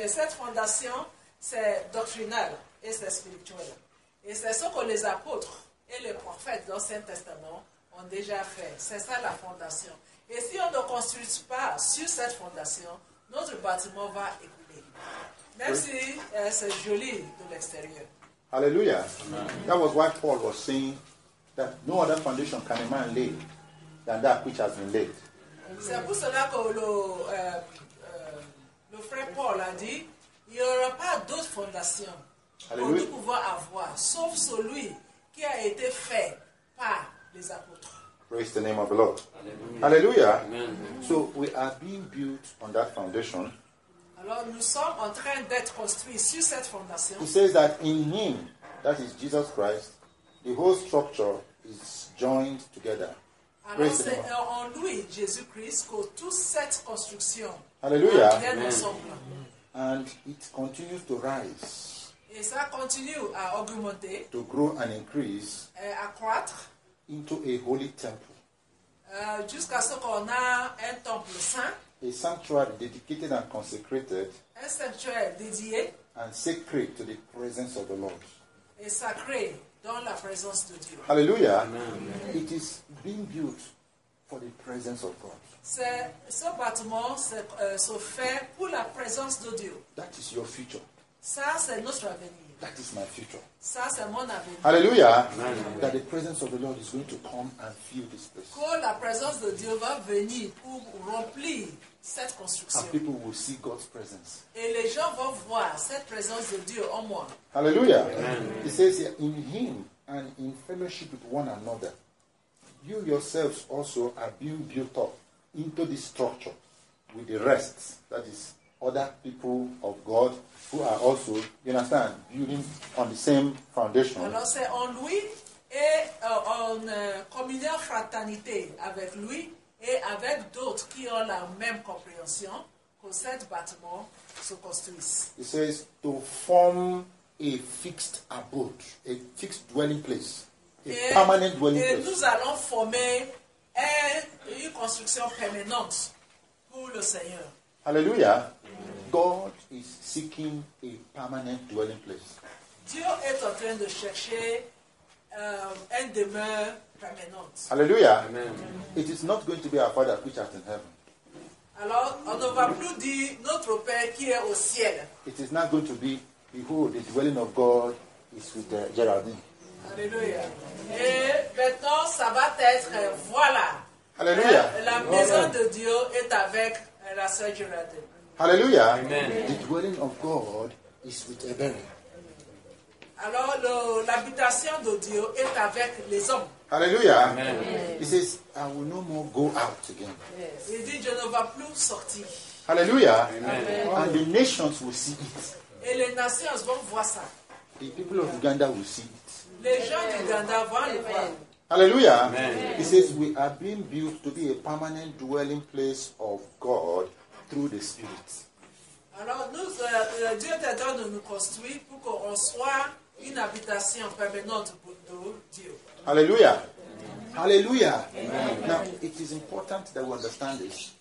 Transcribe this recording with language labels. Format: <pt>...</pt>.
<fr>Et cette fondation, c'est doctrinale et c'est spirituel. Et c'est ce que les apôtres et les prophètes de l'Ancien Testament ont déjà fait. C'est ça la fondation. Et si on ne construit pas sur cette fondation, notre bâtiment va écouler. Même si c'est joli de l'extérieur. Alléluia.</fr> <en>That was why Paul was saying that no other foundation can a man lay than that which has been laid.</en> <fr>C'est pour cela que le frère Paul a dit, il n'y aura pas d'autre fondation que nous pouvons avoir, sauf celui qui a été fait par les apôtres.</fr> <en>Praise the name of the Lord.</en> <fr>Alléluia. Alléluia. Amen.</fr> <en>So we are being built on that foundation.</en> <fr>Alors nous sommes en train d'être construits sur cette fondation.</fr> <en>He says that in him, that is Jesus Christ, the whole structure is joined together.</en> <fr>Alors c'est en lui, Jésus-Christ, que toute cette construction Alléluia. Est ensemble.</fr> <en>And it continues to rise.</en> <fr>Et ça continue à augmenter.</fr> <en>To grow and increase.</en> <fr>Et à croître.</fr> <en>Into a holy temple.</en> <fr>Jusqu'à ce qu'on a un temple saint.</fr> <en>A sanctuary dedicated and consecrated.</en> <fr>Un sanctuaire dédié.</fr> <en>And sacred to the presence of the Lord.</en> <fr>Et sacré. Dans la présence de Dieu.</fr> <en>Hallelujah. Amen. It is being built for the presence of God.</en> <fr>Ce bâtiment se fait pour la présence de Dieu.</fr> <en>That is your future.</en> <fr>Ça, c'est notre avenir.</fr> <en>That is my future.</en> <fr>Ça, c'est mon avenir.</fr> <en>Hallelujah. Amen. That the presence of the Lord is going to come and fill this place.</en> <fr>Que la présence de Dieu va venir pour remplir cette construction.</fr> <en>And people will see God's presence.</en> <fr>Et les gens vont voir cette présence de Dieu en moi.</fr> <en>Hallelujah. Amen. It says here, in him and in fellowship with one another, you yourselves also are being built up into this structure with the rest, that is, other people of God who are also, you understand, building on the same foundation.</en> <fr>Alors c'est en lui et en communion fraternité avec lui et avec d'autres qui ont la même compréhension que cet bâtiment se construise.</fr> <en>It says to form a fixed abode, a fixed dwelling place, a permanent dwelling place.</en> <fr>Et nous allons former une construction permanente pour le Seigneur.</fr> <en>Hallelujah. God is seeking a permanent dwelling place.</en> <fr>Dieu est en train de chercher un demeure permanente.</fr> <en>Hallelujah. Amen. It is not going to be our Father which art in heaven.</en> <fr>Alors, on ne va plus dire notre Père qui est au ciel.</fr> <en>It is not going to be, behold, the dwelling of God is with Geraldine.</en> <fr>Hallelujah. Et maintenant, ça va être, voilà. Hallelujah. La maison de Dieu est avec la sœur Geraldine.</fr> <en>Hallelujah. Amen. The dwelling of God is with Eben.</en> <fr>Alors, l'habitation de Dieu est avec les hommes.</fr> <en>Hallelujah. Amen. He says, I will no more go out again.</en> <fr>Yes. Il dit, je ne vais plus sortir.</fr> <en>Hallelujah. Amen. And the nations will see it.</en> <fr>Et les nations vont voir ça.</fr> <en>The people of Uganda will see it.</en> <fr>Les gens d'Uganda vont le voir.</fr> <en>Hallelujah. Amen. He says, we are being built to be a permanent dwelling place of God. Through the Spirit.</en> <fr>Alors nous, Dieu est en train de nous construire pour qu'on soit une habitation permanente pour Dieu.</fr> <en>Hallelujah. Amen. Hallelujah. Amen. Now it is important that we understand this.</en>